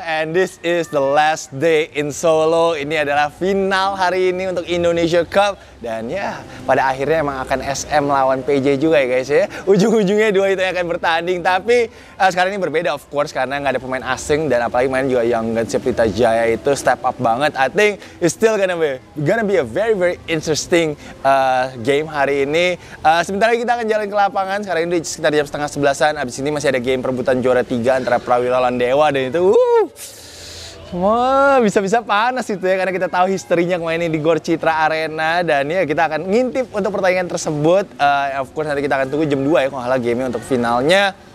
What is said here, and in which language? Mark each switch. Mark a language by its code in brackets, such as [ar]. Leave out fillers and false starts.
[en] And this is the last day in Solo. [id] Ini adalah final hari ini untuk Indonesia Cup. Dan ya, pada akhirnya emang akan SM lawan PJ juga ya guys ya. Ujung-ujungnya dua itu yang akan bertanding. Tapi sekarang ini berbeda [en] of course, [id] karena gak ada pemain asing. Dan apalagi main juga Young Guns Pelita Jaya itu [en] step up [id] banget. [en] I think it's still gonna be a very very interesting game [id] hari ini. Sebentar lagi kita akan jalan ke lapangan. Sekarang ini sekitar jam 9:30. Abis ini masih ada game perebutan juara 3 antara Prawira lawan Dewa, dan itu wah, bisa-bisa panas itu ya, karena kita tahu historinya kemarin di Gor Citra Arena. Dan ya, kita akan ngintip untuk pertandingan tersebut. [en] Of course [id] nanti kita akan tunggu jam 2 ya kalau salah game-nya untuk finalnya.